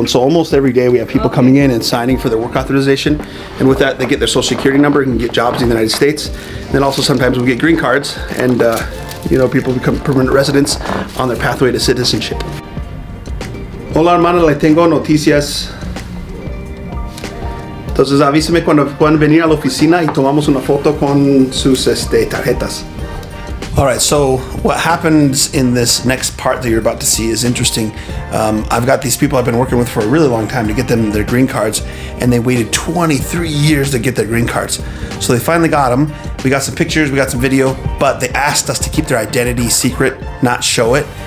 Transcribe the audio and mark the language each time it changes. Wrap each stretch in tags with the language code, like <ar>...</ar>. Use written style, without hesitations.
<en>And so almost every day we have people coming in and signing for their work authorization, and with that they get their social security number and get jobs in the United States. And then also sometimes we get green cards, and you know, people become permanent residents on their pathway to citizenship.</en> <es>Hola hermana, le tengo noticias. Entonces avíseme cuando puedan venir a la oficina y tomamos una foto con sus tarjetas.</es> <en>All right, so what happens in this next part that you're about to see is interesting. I've got these people I've been working with for a really long time to get them their green cards, and they waited 23 years to get their green cards. So they finally got them. We got some pictures, we got some video, but they asked us to keep their identity secret, not show it.</en>